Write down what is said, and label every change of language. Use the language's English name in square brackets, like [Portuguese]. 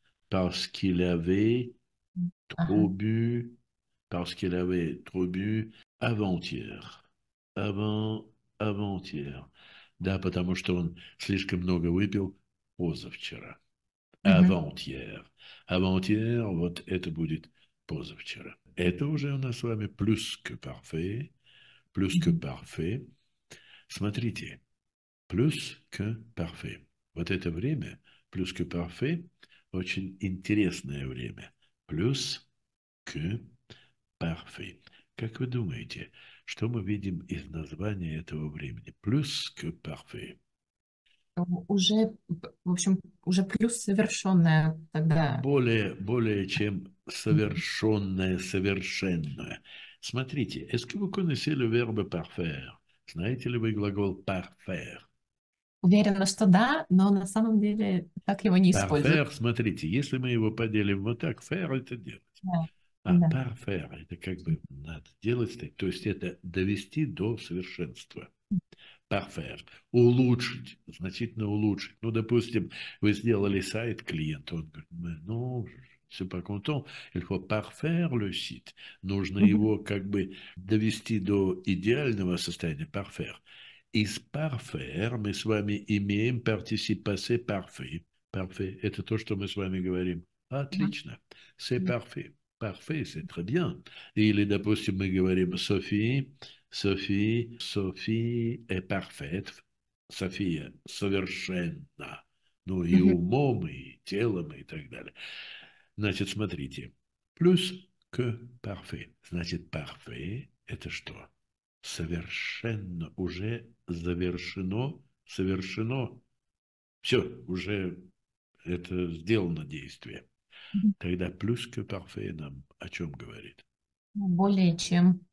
[French] Parce qu'il avait trop bu. Parce qu'il avait trop bu avant-hier. Avant-hier. [Russian] Да, потому что он слишком много выпил позавчера. [French] Avant-hier. Avant-hier, [Russian] вот это будет позавчера. Это уже у нас с вами плюс к парфей. Плюс к парфей. Смотрите. Плюс к парфей. Вот это время, плюс к парфей, очень интересное время. Плюс к парфей. Как вы думаете, что мы видим из названия этого времени? Плюс к парфей. Уже, в общем, уже плюс совершенное тогда. Более чем совершенное, совершенное. Смотрите, [French] est-ce que vous connaissez le verbe parfaire? [Russian] Знаете ли вы глагол parfaire? Уверена, что да, но на самом деле так его не используют. Parfaire, смотрите, если мы его поделим вот так, faire это делать. А parfaire, это как бы надо делать, то есть это довести до совершенства. Parfaire, улучшить, значительно улучшить. Ну, допустим, вы сделали сайт клиенту, он говорит, [French] mais non, je suis pas content, il faut parfaire le site. [Russian] Нужно его как бы довести до идеального состояния, parfaire. Из parfaire мы с вами имеем participe passé parfait. [French] Parfait. [Russian] Это то, что мы с вами говорим. Отлично. [French] C'est [Russian] Да. [French] parfait. Parfait, c'est très bien. [Russian] Или, допустим, мы говорим Софи. Софи. [French] Софи est parfaite. [Russian] София совершенно. Ну и умом, и телом, и так далее. Значит, смотрите. Плюс que parfait. Значит, parfait – это что? Совершенно. Уже завершено. Совершено. Все, уже это сделано действие. Тогда плюс que parfait нам о чем говорит? Более чем.